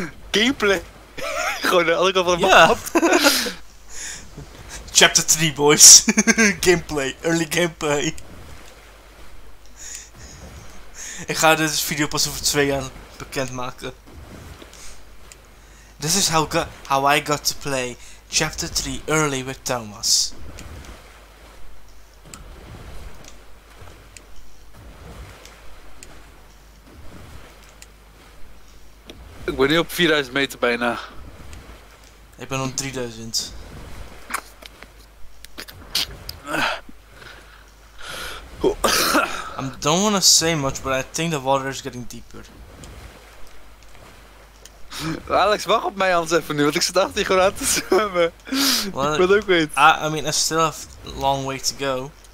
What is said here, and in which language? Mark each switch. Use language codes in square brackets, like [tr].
[en] Gameplay. [nl] Gewoon de andere kant van de map. [en] Chapter 3, boys. Gameplay. Early gameplay. [nl] Ik ga deze video pas over 2 jaar bekendmaken. [en] This is how I got to play Chapter 3 early with Thomas. [nl] Ik ben nu op 4000 meter bijna. Ik ben op 3000. [en] I don't want to say much, but I think the water is getting deeper. [nl] Alex, wacht op mij anders even nu, want ik zit achter je gewoon aan te zwemmen. Well, ik wil ook weten. [en] I mean, I still have a long way to go.